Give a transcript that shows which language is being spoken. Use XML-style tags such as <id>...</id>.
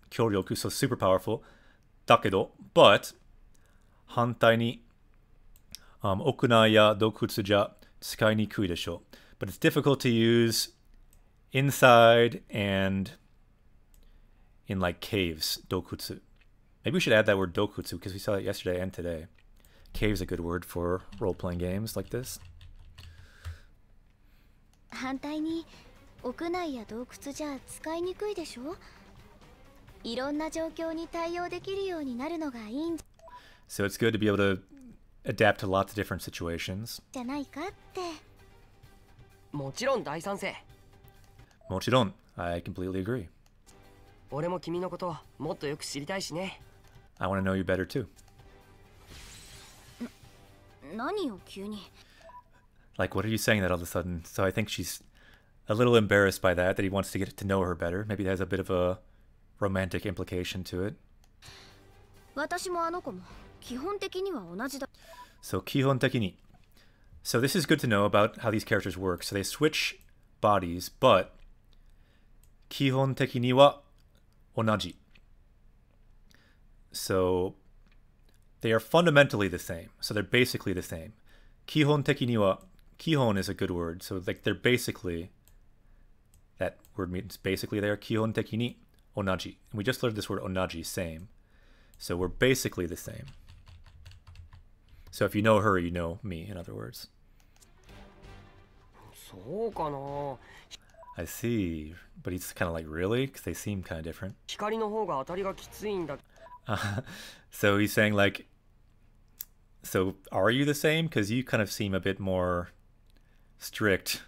<ja>Kyoryoku,</ja> <en>so super powerful.</en> <ja>Dakedo, but 反対に okunai ya dokutsu ja tsukai nikui desho.</ja> <en>But it's difficult to use inside and in like caves, dokutsu. Maybe we should add that word dokutsu because we saw it yesterday and today. Cave's a good word for role-playing games like this.</en> <ja>反対に屋内や洞窟じゃ使いにくいでしょ? いろんな状況に対応できるようになるのがいいん。</ja> <en>So it's good to be able to adapt to lots of different situations.</en> <ja>じゃないかって。もちろん大賛成。もちろん、</ja> <en>I completely agree.</en> <ja>俺も君のことをもっとよく知りたいしね。</ja> <en>I want to know you better too.</en> <ja>何を急に。</ja> <en>Like, what are you saying that all of a sudden? So I think she's... A little embarrassed by that, that he wants to get to know her better. Maybe it has a bit of a romantic implication to it.</en> <ja>私もあの子も基本的には同じだ。 So, 基本的に。</ja> <en>So, this is good to know about how these characters work. So, they switch bodies, but</en> <ja>基本的には同じ。</ja> <en>So, they are fundamentally the same. So, they're basically the same.</en> <ja>基本的には基本</ja> <en>is a good word. So, like, they're basically... That word means basically they are</en> <ja>基本的に同じ.</ja> <en>And we just learned this word 同じ, same. So we're basically the same. So if you know her, you know me, in other words.</en> <ja>そうかな?</ja> <en>I see. But he's kind of like, really? Because they seem kind of different.</en> <ja>光の方が当たりがきついんだ.</ja> <en>So he's saying like, so are you the same? Because you kind of seem a bit more strict.</en>